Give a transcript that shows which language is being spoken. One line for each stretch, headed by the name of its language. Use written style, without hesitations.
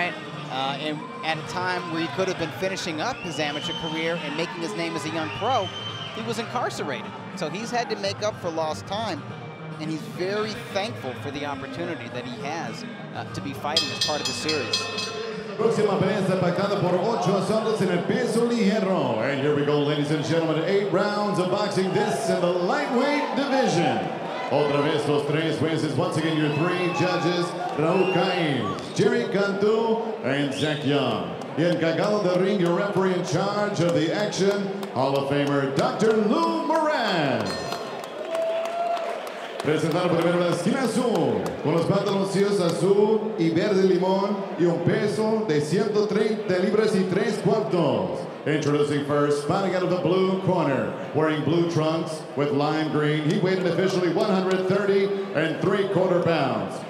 English: Right. And at a time where he could have been finishing up his amateur career and making his name as a young pro, he was incarcerated. So he's had to make up for lost time, and he's very thankful for the opportunity that he has to be fighting as part of the series.
Spanish: Próxima pelea está pactada por Ochoa Santos en el peso ligero.
English: And here we go, ladies and gentlemen, 8 rounds of boxing. This is in the lightweight division.
Spanish: Otra vez los tres jueces.
English: Once again, your three judges, Raúl Caín, Jerry Cantu, and Zach Young.
Spanish: Y el encargado de ring,
English: your referee in charge of the action, Hall of Famer Dr. Lou Moran.
Spanish: Presentado primero la esquina azul, con los pantaloncillos azul y verde limón, y un peso de 130 libras y tres cuartos.
English: Introducing first, fighting out of the blue corner, wearing blue trunks with lime green, he weighed officially 130 and 3/4 pounds.